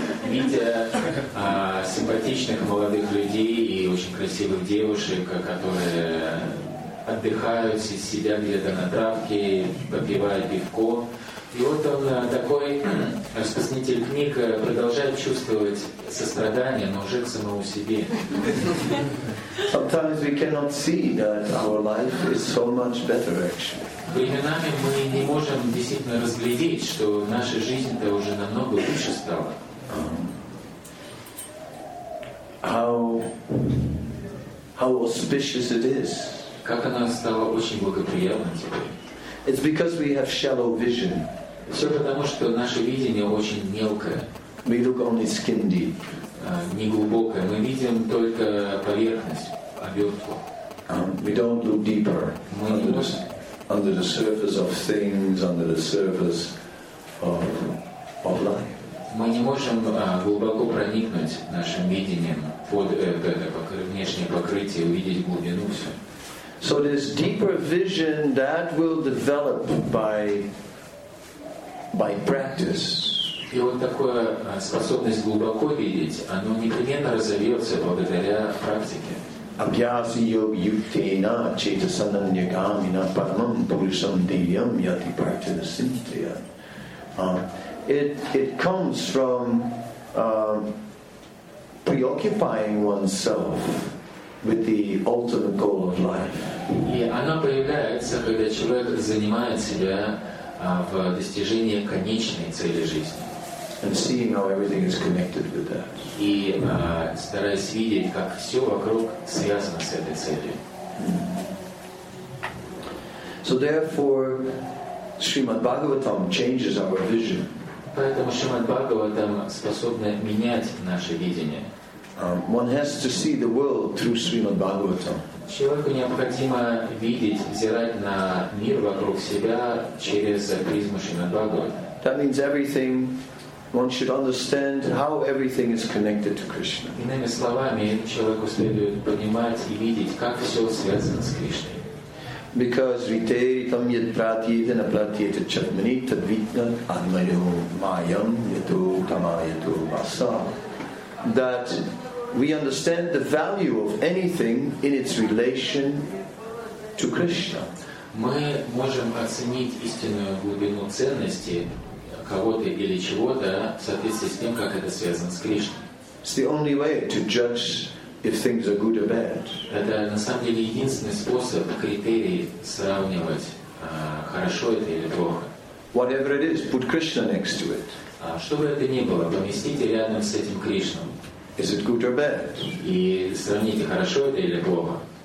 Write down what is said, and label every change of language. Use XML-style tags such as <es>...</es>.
<ru>Видя симпатичных молодых людей и очень красивых девушек, которые отдыхают, сидят где-то на травке, попивают пивко. И вот он, такой распространитель книг, продолжает чувствовать сострадание, но уже к самому себе.</ru> <en>Sometimes we cannot see that our life is so much better, actually.</en> <ru>Временами мы не можем действительно разглядеть, что наша жизнь-то уже намного лучше стала.</ru> <en>How auspicious it is.</en> <ru>Как она стала очень благоприятна теперь.</ru> <en>It's because we have shallow vision.</en> <ru>Все потому, что наше видение очень мелкое.</ru> <en>We look only skin deep.</en> <ru>Неглубокое. Мы видим только поверхность, обертку.</ru> <en>We don't look deeper. Under the surface of things, under the surface of life.</en> <ru>мы не можем глубоко проникнуть нашим видением под внешнее покрытие, увидеть глубину все.</ru> <en>So this deeper vision that will develop by practice.</en> <ru>И вот такая способность глубоко видеть, она непременно разовьется благодаря практике.</ru> <sa>Абьяси йог юктена чейтасанам ньягамина парамам пурушам дивьям яти практика синтия.</sa> <en>It comes from preoccupying oneself with the ultimate goal of life.</en> <ru>И она появляется, когда человек занимает себя в достижении конечной цели жизни.</ru> <en>And seeing how everything is connected with that.</en> <ru>И стараясь видеть, как все вокруг связано с этой целью.</ru> <en>So therefore, Srimad Bhagavatam changes our vision.</en> <ru>Поэтому Шримад Бхагаватам способно менять наше видение.</ru> <en>One has to see the world through Srimad Bhagavatam.</en> <ru>Человеку необходимо видеть, взирать на мир вокруг себя через призму Шримад Бхагаватам.</ru> <en>That means everything. One should understand how everything is connected to Krishna.</en> <ru>Иными словами, человеку следует понимать и видеть, как все связано с Кришной.</ru> <en>Because</en> <sa>vitaritam yad pratyeta na pratyeta chatmani tadvitna anmayo mayam yato tamayato vasa.</sa> <en>That we understand the value of anything in its relation to Krishna.</en> <ru>Мы можем оценить истинную глубину ценности кого-то или чего-то в соответствии с тем, как это связано с Кришной.</ru> <en>It's the only way to judge if things are good or bad.</en> <ru>Это на самом деле единственный способ, критерий сравнивать, хорошо это или плохо.</ru> <en>Whatever it is, put Krishna next to it.</en> <ru>Что бы это ни было, поместите рядом с этим Кришну.</ru> <en>Is it good or bad?</en> <ru>И сравните, хорошо это или плохо.</ru>